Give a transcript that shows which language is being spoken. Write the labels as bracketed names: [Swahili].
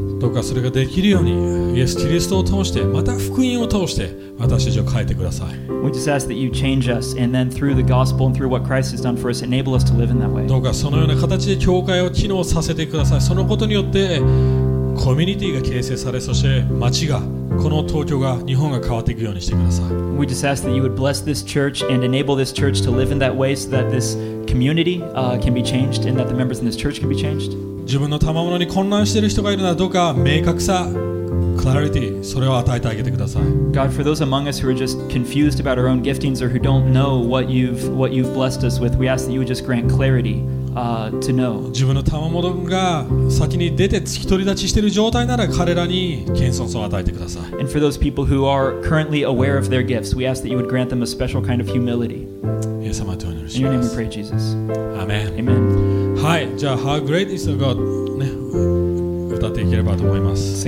[Japanese] どうかそれができるように、イエス・キリストを通して、また福音を通して、私たちを変えてください。 [English] We just ask that you change us and then through the gospel and through what Christ has done for us, enable us to live in that way. [Japanese] どうかそのような形で教会を機能させてください。そのことによって、コミュニティが形成され、そして町が、この東京が、日本が変わっていくようにしてください。 [English] We just ask that you would bless this church and enable this church to live in that way so that this community can be changed and that the members in this church can be changed. [Japanese] 自分の賜物に混乱している人がいるなら、どうか明確さ、clarity、それを与えてあげてください。 [English] God, for those among us who are just confused about our own giftings or who don't know what you've blessed us with, we ask that you would just grant clarity. To know. [Japanese] 自分の賜物が先に出て独り立ちしている状態なら彼らに謙遜さを与えてください。 [English] And for those people who are currently aware of their gifts, we ask that you would grant them a special kind of humility. [Japanese] イエス様とお祈りします。 [English] In your name we pray, Jesus. Amen. Amen. [Japanese] はい、じゃあ How great is the God? ね、歌っていければと思います。